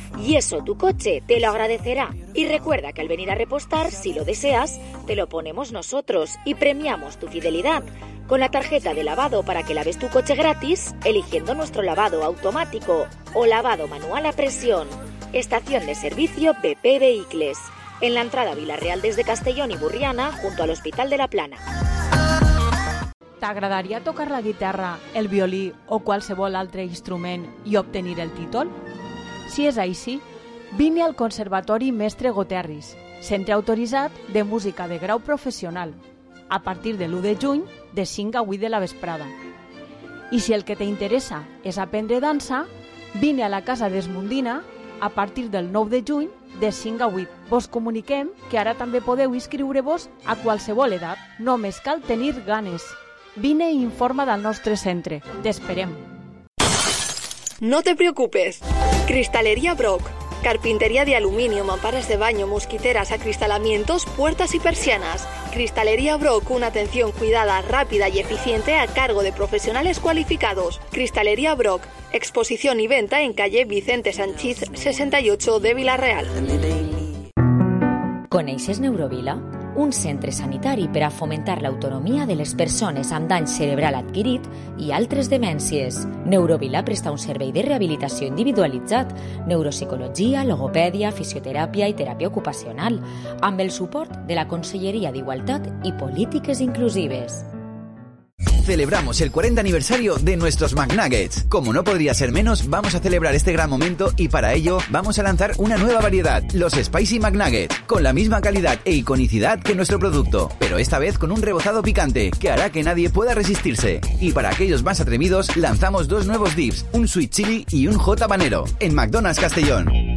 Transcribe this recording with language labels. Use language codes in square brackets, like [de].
[es] Y eso tu coche te lo agradecerá. Y recuerda que al venir a repostar, si lo deseas, te lo ponemos nosotros y premiamos tu fidelidad con la tarjeta de lavado para que laves tu coche gratis eligiendo nuestro lavado automático o lavado manual a presión. Estación de servicio BP Vehicles, en la entrada a Villarreal desde Castellón y Burriana, junto al Hospital de la Plana. [ca] T'agradaria tocar la guitarra, el violí o qualsevol altre instrument i obtenir el títol? Si és així, vine al Conservatori Mestre Goterris, centre autoritzat de música de grau professional, a partir de l'1 de juny, de 5 a 8 de la vesprada. I si el que t'interessa és aprendre dansa, vine a la Casa d'Esmundina a partir del 9 de juny, de 5 a 8. Vos comuniquem que ara també podeu inscriure-vos a qualsevol edat. Només cal tenir ganes. Vine i informa del nostre centre. T'esperem. [es] No te preocupes. Cristalería Brock. carpintería de aluminio, mamparas de baño, mosquiteras, acristalamientos, puertas y persianas. Cristalería Brock, una atención cuidada, rápida y eficiente a cargo de profesionales cualificados. Cristalería Brock, exposición y venta en calle Vicente Sanchiz, 68 de Vilareal. [ca] ¿Coneixes Neurovila? Un centre sanitari per a fomentar l'autonomia de les persones amb dany cerebral adquirit i altres demències. Neurovila presta un servei de rehabilitació individualitzat, neuropsicologia, logopèdia, fisioteràpia i teràpia ocupacional, amb el suport de la Conselleria d'Igualtat i Polítiques Inclusives. [es] Celebramos el 40 aniversario de nuestros McNuggets. Como no podría ser menos, vamos a celebrar este gran momento y para ello vamos a lanzar una nueva variedad, los Spicy McNuggets, con la misma calidad e iconicidad que nuestro producto, pero esta vez con un rebozado picante que hará que nadie pueda resistirse. Y para aquellos más atrevidos, lanzamos dos nuevos dips, un Sweet Chili y un Hot Habanero, en McDonald's Castellón.